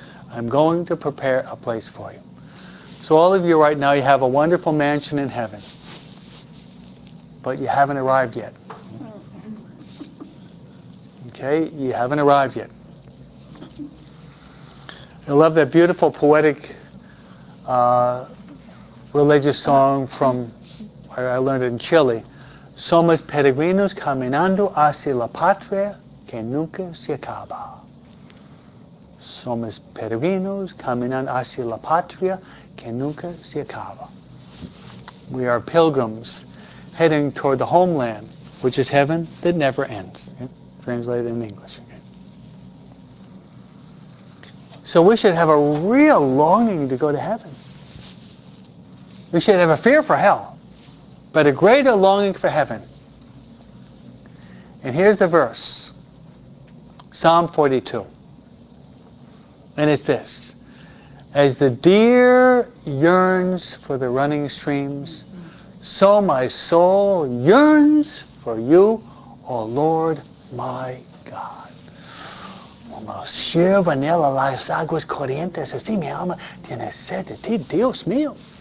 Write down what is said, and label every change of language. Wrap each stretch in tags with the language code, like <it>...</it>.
<en>I'm going to prepare a place for you. So all of you right now, you have a wonderful mansion in heaven, but you haven't arrived yet. Okay, you haven't arrived yet. I love that beautiful poetic religious song from, I learned it in Chile.</en> <es>Somos peregrinos caminando hacia la patria que nunca se acaba. Somos peregrinos caminando hacia la patria que nunca se acaba.</es> <en>We are pilgrims heading toward the homeland, which is heaven that never ends. Translated in English. So we should have a real longing to go to heaven. We should have a fear for hell, but a greater longing for heaven. And here's the verse, Psalm 42. And it's this. As the deer yearns for the running streams, so my soul yearns for you, O Lord my God.</en> <es>Como sierva anhela las aguas corrientes, así mi alma tiene sed de ti, Dios mío.</es>